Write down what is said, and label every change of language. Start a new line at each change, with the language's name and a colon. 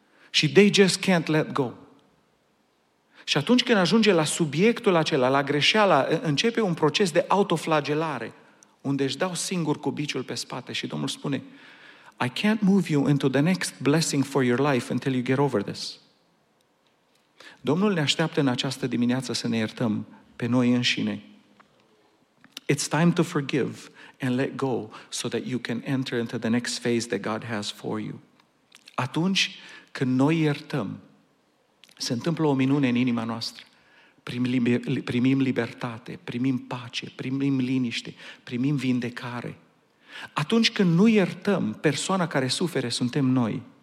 Romanian: Și
English: they just can't let go.
Romanian: Și atunci când ajunge la subiectul acela, la greșeala, începe un proces de autoflagelare, unde își dau singur cubiciul pe spate și Domnul spune,
English: I can't move you into the next blessing for your life until you get over this.
Romanian: Domnul ne așteaptă în această dimineață să ne iertăm pe noi înșine.
English: It's time to forgive and let go so that you can enter into the next phase that God has for you.
Romanian: Atunci când noi iertăm, se întâmplă o minune în inima noastră. Primim libertate, primim pace, primim liniște, primim vindecare. Atunci când nu iertăm persoana care suferă, suntem noi.